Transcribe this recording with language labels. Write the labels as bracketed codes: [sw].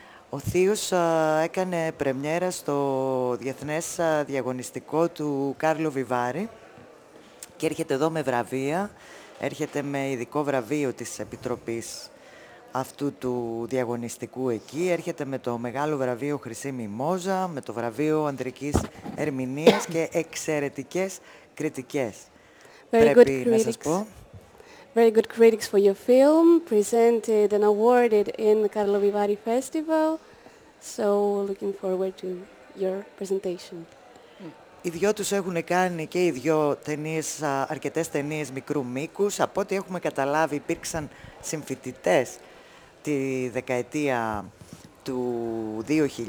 [el] Ο Θείος έκανε πρεμιέρα στο διεθνές διαγωνιστικό του Κάρλο Βιβάρη και έρχεται εδώ με βραβεία. Έρχεται με ειδικό βραβείο της Επιτροπής αυτού του διαγωνιστικού εκεί. Έρχεται με το μεγάλο βραβείο Χρυσή Μιμόζα, με το βραβείο Ανδρικής Ερμηνείας και εξαιρετικές κριτικές. [en] Very good critics. [el] Πρέπει να σας πω. [en] Very good critics for your film, presented and awarded in the Carlo Vivari Festival. So looking forward to your presentation. [el] Οι δυο τους έχουν κάνει και οι δυο ταινίες, αρκετές ταινίες μικρού μήκους. Από ό,τι έχουμε καταλάβει, υπήρξαν συμφοιτητές τη δεκαετία του 2000.